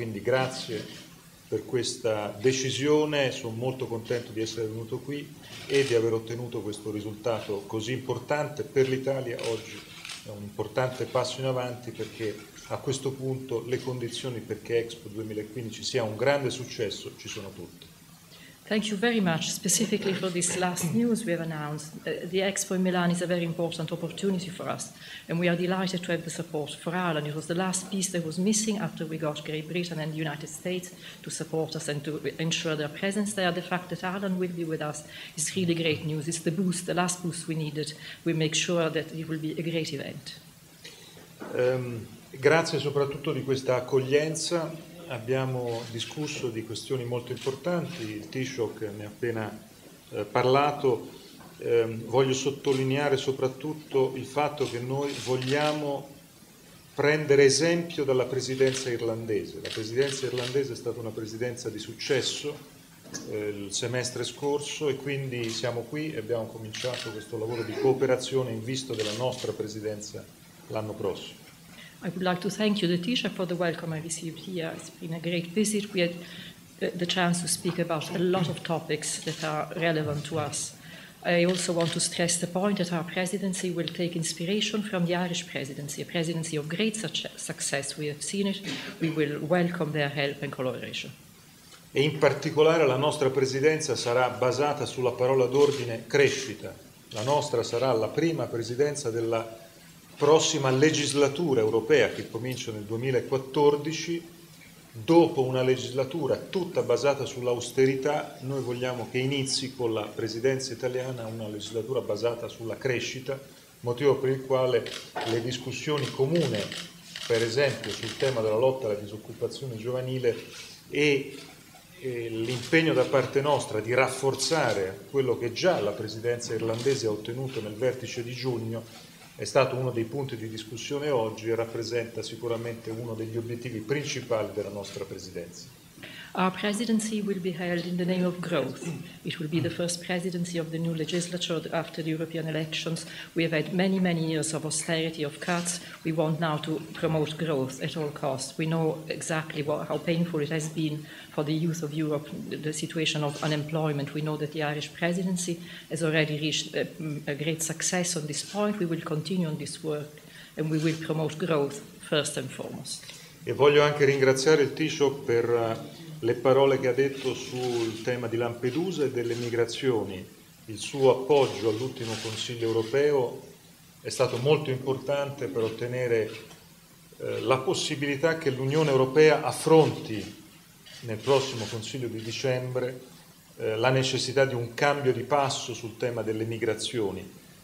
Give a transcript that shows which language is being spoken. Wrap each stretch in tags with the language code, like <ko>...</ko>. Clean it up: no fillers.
<it>Quindi grazie per questa decisione, sono molto contento di essere venuto qui e di aver ottenuto questo risultato così importante per l'Italia. Oggi è un importante passo in avanti perché a questo punto le condizioni perché Expo 2015 sia un grande successo ci sono tutte.</it> <en>Thank you very much specifically for this last news we have announced. The Expo in Milan is a very important opportunity for us and we are delighted to have the support for Ireland. It was the last piece that was missing after we got Great Britain and the United States to support us and to ensure their presence there. The fact that Ireland will be with us is really great news. It's the boost, the last boost we needed. We make sure that it will be a great event.</en> <it>Grazie soprattutto di questa accoglienza. Abbiamo discusso di questioni molto importanti, il Taoiseach ne ha appena parlato. Voglio sottolineare soprattutto il fatto che noi vogliamo prendere esempio dalla presidenza irlandese. La presidenza irlandese è stata una presidenza di successo il semestre scorso e quindi siamo qui e abbiamo cominciato questo lavoro di cooperazione in vista della nostra presidenza l'anno prossimo.</it> <en>I would like to thank you, the teacher, for the welcome I received here. It's been a great visit. We had the chance to speak about a lot of topics that are relevant to us. I also want to stress the point that our presidency will take inspiration from the Irish presidency, a presidency of great success. We have seen it. We will welcome their help and collaboration.</en> <it>E in particolare la nostra presidenza sarà basata sulla parola d'ordine crescita. La nostra sarà la prima presidenza della prossima legislatura europea che comincia nel 2014. Dopo una legislatura tutta basata sull'austerità, noi vogliamo che inizi con la presidenza italiana una legislatura basata sulla crescita, motivo per il quale le discussioni comune, per esempio sul tema della lotta alla disoccupazione giovanile e l'impegno da parte nostra di rafforzare quello che già la presidenza irlandese ha ottenuto nel vertice di giugno, è stato uno dei punti di discussione oggi e rappresenta sicuramente uno degli obiettivi principali della nostra presidenza.</it> <en>Our presidency will be held in the name of growth. It will be the first presidency of the new legislature after the European elections. We have had many, many years of austerity, of cuts. We want now to promote growth at all costs. We know exactly how painful it has been for the youth of Europe, the situation of unemployment. We know that the Irish presidency has already reached a great success on this point. We will continue on this work and we will promote growth first and foremost.</en> <it>E voglio anche ringraziare il Taoiseach per le parole che ha detto sul tema di Lampedusa e delle migrazioni. Il suo appoggio all'ultimo Consiglio europeo è stato molto importante per ottenere la possibilità che l'Unione europea affronti nel prossimo Consiglio di dicembre la necessità di un cambio di passo sul tema delle migrazioni.</it>